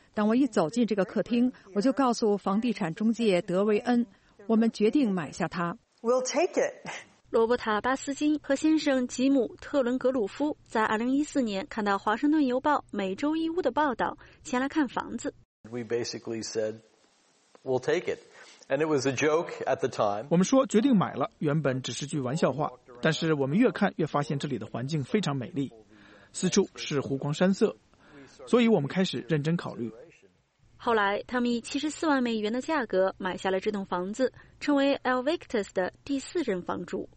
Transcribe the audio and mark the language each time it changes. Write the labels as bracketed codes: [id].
[zh] 当我一走进这个客厅，我就告诉房地产中介德维恩，我们决定买下它。 [en] We'll take it. [zh] 罗伯塔·巴斯金和先生吉姆·特伦格鲁夫在2014年看到《华盛顿邮报》每周一屋的报道，前来看房子。 [en] We basically said, "We'll take it," and it was a joke at the time. [zh] 我们说决定买了，原本只是句玩笑话，但是我们越看越发现这里的环境非常美丽，四处是湖光山色，所以我们开始认真考虑。后来，他们以74万美元的价格买下了这栋房子，成为 El Victus 的第四任房主。